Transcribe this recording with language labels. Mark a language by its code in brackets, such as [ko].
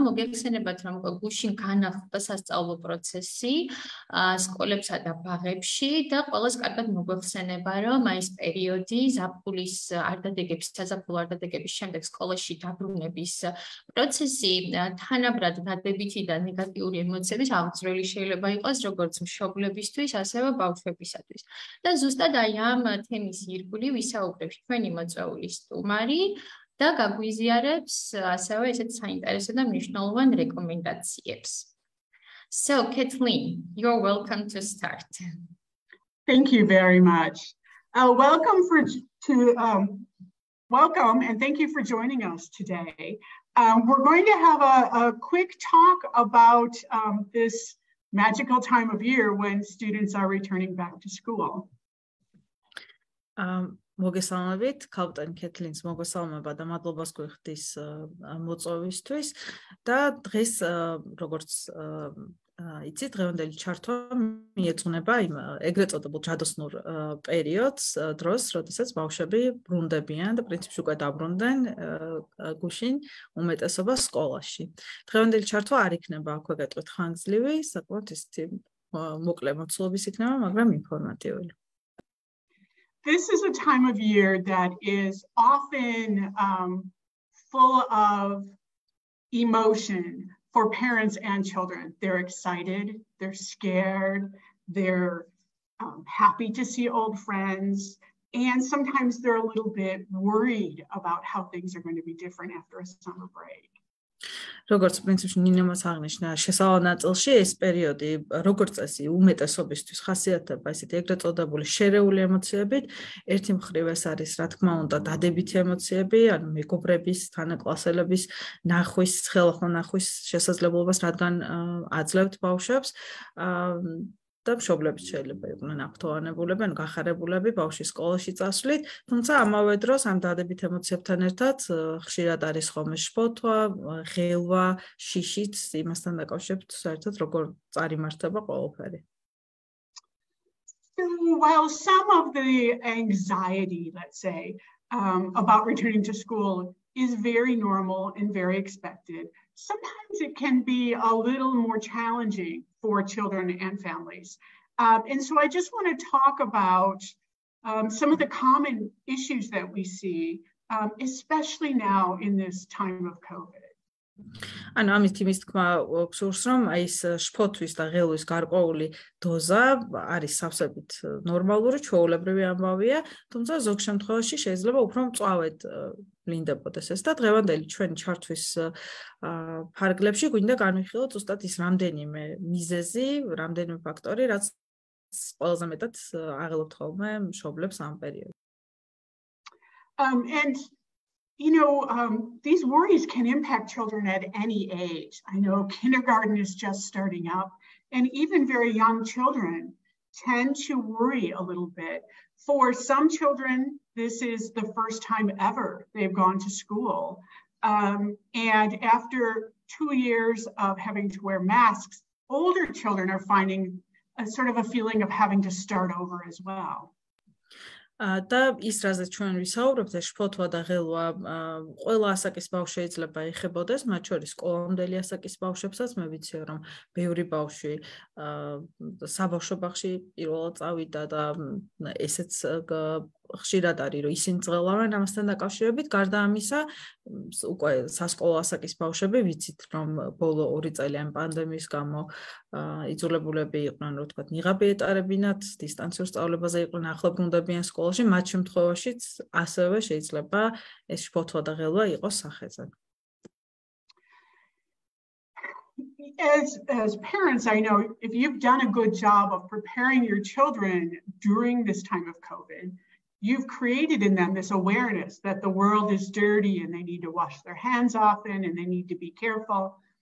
[ka] მოგეხსენებათ, რომ გუშინ განახლდა სასწავლო პროცესი სკოლებსა და ბაღებში და ყველას კარგად მოგეხსენება, რომ ეს პერიოდი ზაფხულის არდადეგების, საზაფხულო არდადეგების შემდეგ სკოლაში დაბრუნების პროცესი თანაბრად დადებითი და ნეგატიური ემოციების აღძრული შეიძლება იყოს, როგორც მშობლებისთვის, ასევე ბავშვებისათვის. და ზუსტად აი ამ თემის ირგვლივ ვისაუბრებს ჩვენი მოწვეული სტუმარი და გაგვიზიარებს ასევე ესეთ საინტერესო და მნიშვნელოვან რეკომენდაციებს. [en] So, Kathleen, you're welcome to start. Thank you very much. Welcome for welcome and thank you for joining us today. We're going to have a quick talk about this magical time of year when students are returning back to school. [ka] მოგესალმებით, კაპიტანი კეთლინს მოგესალმება და მადლობას გვიხდის მოწვევისთვის და დღეს როგორც იცით, დღევანდელი ჩართვა მიეძღვნება იმ ეგრეთ წოდებულ ჯადოსნურ პერიოდს, დროს, როდესაც ბავშვები ბრუნდებიან და პრინციპში უკვე დაბრუნდნენ გუშინ უმეტესობა სკოლაში. დღევანდელი ჩართვა არ იქნება აქვე გატვეთ ხანძლივი, საკმაოდ ისეთი მოკლე მოცულობის იქნება, მაგრამ ინფორმატიული. [en] This is a time of year that is often full of emotion for parents and children. They're excited, they're scared, they're happy to see old friends, and sometimes they're a little bit worried about how things are going to be different after a summer break. [ka] როგორც პრინციპში ნინომაც აღნიშნა, შესავალ ნაწილში ეს პერიოდი, როგორც წესი, უმეტესობისთვის ხასიათდება ესეთი ეგრეთ წოდებული შერეული ემოციებით. ერთი მხრივ ეს არის, რა თქმა უნდა, დადებითი ემოციები, ანუ მეგობრების, თანაკლასელების ნახვის, ხელახლა ნახვის შესაძლებლობას, რადგან აძლევთ ბავშვებს. და მშობლებს შეიძლება იყვნენ აქტოვანებულები, ან გახარებულები ბავშვი სკოლაში წასვლით, თუმცა ამავე დროს ამ დადებით ემოციებთან ერთად ხშირად არის ხოლმე შფოთვა, ღელვა, შიშიც, იმასთან დაკავშირებით საერთოდ როგორ წარიმართება ყველაფერი. [en] While some of the anxiety, let's say, about returning to school is very normal and very expected, sometimes it can be a little more challenging for children and families. And so I just want to talk about some of the common issues that we see, especially now in this time of COVID. [ka] ანუ ამის თემის თქმა გვაქვს, რომ აი ეს შფოთვის და ღელვის გარკვეული დოზა არის სავსებით ნორმალური, ჩვეულებრივი ამბავია, თუმცა ზოგ შემთხვევაში შეიძლება უფრო მწვავედ ლინდებოდეს ეს და დღევანდელი ჩვენი ჩართვის ფარგლებში გვინდა განვიხილოთ უბრალოდ ის რამდენიმე მიზეზი, რამდენიმე ფაქტორი, რაც ყველაზე მეტად აღელვებთ ხოლმე მშობლებს ამ პერიოდში. [en] You know, these worries can impact children at any age. I know kindergarten is just starting up, and even very young children tend to worry a little bit. For some children, this is the first time ever they've gone to school. And after 2 years of having to wear masks, older children are finding a sort of a feeling of having to start over as well. [ka] და ის რაზეც ჩვენ ვისაუბრებთ, ეს შფოთვა და ღელვა ყველა ასაკის ბავშვს შეიძლება ეხებოდეს, მათ შორის სკოლამდელი ასაკის ბავშვებსაც. მე ვიციო, რომ ბევრი ბავშვი საბავშვო ბაღში პირველად წავიდა და ესეც ხშირად არის, რომ ისინი ძღელავენ ამასთან დაკავშირებით. გარდა ამისა, უკვე სასკოლო ასაკის ბავშვები ვიცით, რომ ბოლო 2 წელი ამ პანდემიის გამო იძულებულები იყვნენ, რა ვთქვათ, ნიღაბი ეტარებინათ, დისტანციურ სწავლებაზე იყვნენ ახლობლებიან სკოლაში. მათ შემთხვევაშიც ასევე შეიძლება ეს შფოთვა და ღელვა იყოს სახეზე. [en] As parents, I know if you've done a good job of preparing your children during this time of COVID, you've created in them this awareness that the world is dirty and they need to wash their hands often and they need to be careful.